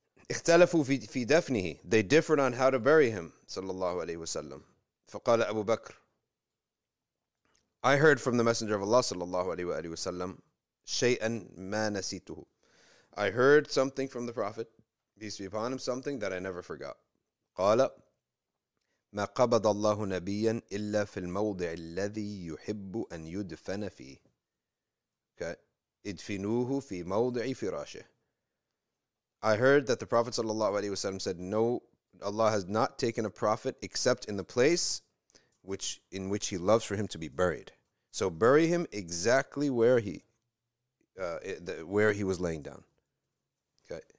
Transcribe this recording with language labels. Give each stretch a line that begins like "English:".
Arabic: اختلفوا في دفنه.
English: They differed on how to bury him,
Arabic: صلى الله عليه وسلم. فقال أبو بكر,
English: I heard from the Messenger of Allah,
Arabic: صلى الله عليه وسلم, شيئا ما نسيته.
English: I heard something from the Prophet, peace be upon him, something that I never forgot.
Arabic: قال ما قبض الله نبيا إلا في الموضع الذي يحب أن يدفن فيه. Okay. ادفنوه في موضع فراشه.
English: I heard that the Prophet sallallahu alaihi wasallam said, no, Allah has not taken a prophet except in the place which in which he loves for him to be buried. So bury him exactly where he was laying down. Okay.